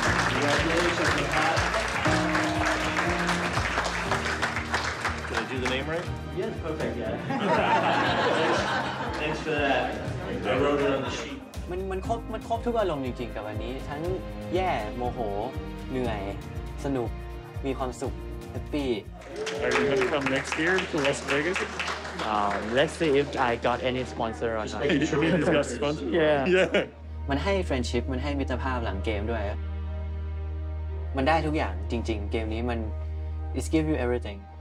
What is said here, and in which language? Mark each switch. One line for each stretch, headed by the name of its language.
English: Congratulations, Pat. Did I do the name right? Yes, perfect, yeah. Thanks for that. I wrote it on the sheet.
Thai: มันครบทุกอารมณ์จริงๆกับวันนี้ทั้งแย่โมโหเหนื่อยสนุกมีความสุขแฮปปี้
English: Are you going to come next year to Las Vegas? Let's see if I got any sponsor or not. Are you sure he's got sponsor? Yeah.
Thai: มันให้ friendship มันให้มิตรภาพหลังเกมด้วยมันได้ทุกอย่างจริงๆเกมนี้มัน
English: it give you everything